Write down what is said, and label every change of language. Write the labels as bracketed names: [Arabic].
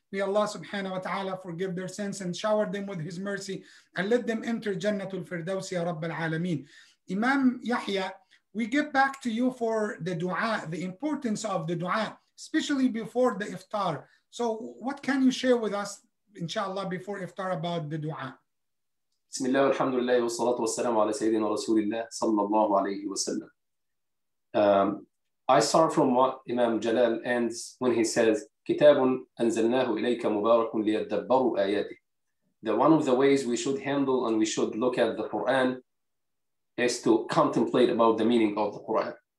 [English] May Allah subhanahu wa ta'ala forgive their sins and shower them with his mercy and let them enter Jannatul Firdaus, Ya Rabbil Alameen. Imam Yahya, we get back to you for the dua, the importance of the dua, especially before the iftar. So what can you share with us, inshallah, before iftar about the dua? [Arabic] بسم الله والحمد لله والصلاة والسلام على سيدنا رسول الله صلى الله عليه وسلم. [English] I start from what Imam Jalal ends when he says, [Arabic] كتاب أنزلناه إليك مبارك ليتدبروا آياته. [English] That one of the ways we should handle and we should look at the Quran is to contemplate about the meaning of the Quran.